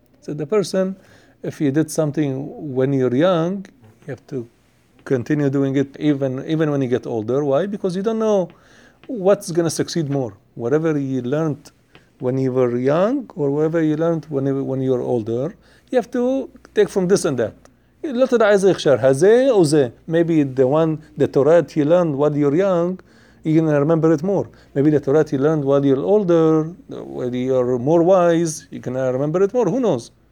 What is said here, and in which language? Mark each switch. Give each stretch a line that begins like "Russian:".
English: So the person, if you did something when you're young, you have to continue doing it even when you get older. Why? Because you don't know what's going to succeed more. Whatever you learned when you were young or whatever you learned when you were older, you have to take from this and that.
Hebrew: לא תדע איזה הכשר, הזה או זה.
English: Maybe the one the Torah that you learned while you're young, you're going to remember it more. Maybe the Torah that you learned while you're older, while you're more wise, you're going to remember it more. Who knows?